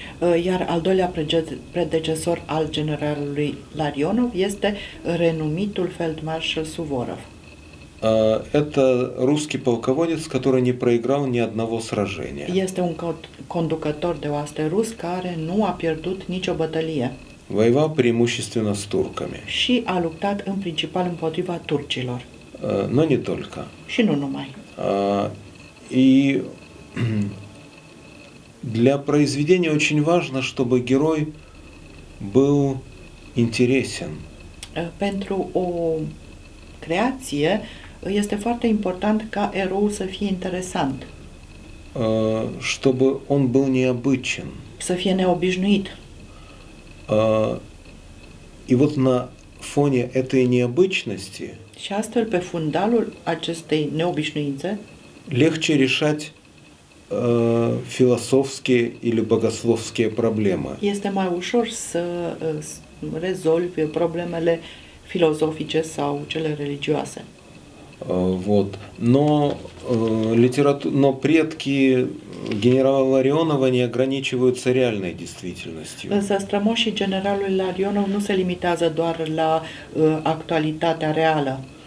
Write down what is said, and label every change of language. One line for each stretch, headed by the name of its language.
Romanian: Iar al doilea predecesor al generalului Ларионов este renumitul фельдмаршал Суворов.
Russian: Это русский полководец, который не проиграл ни одного сражения.
Romanian: Este un conducător de oaste rus care nu a pierdut nicio bătălie.
Russian: Воевал преимущественно с турками.
Romanian: Și a luptat în principal împotriva turcilor.
Russian: Но не только.
Romanian: Și nu numai.
Russian: И для произведения очень важно, чтобы герой был интересен.
Romanian: Pentru o creație este foarte important ca eroul să fie interesant.
Russian: Чтобы он был необычен.
Romanian: Să fie neobișnuit.
Russian: И вот на фоне этой необычности,
Romanian: și astfel, pe fundalul acestei neobișnuințe,
Russian: легче решать философские или богословские проблемы.
Romanian: Este mai ușor să rezolvi problemele filozofice sau cele religioase. Вот.
Russian: Но но предки генерала Ларионова не ограничиваются реальной действительностью.
Romanian: Însă strămoșii generalului Ларионов nu se limitează doar la actualitatea reală.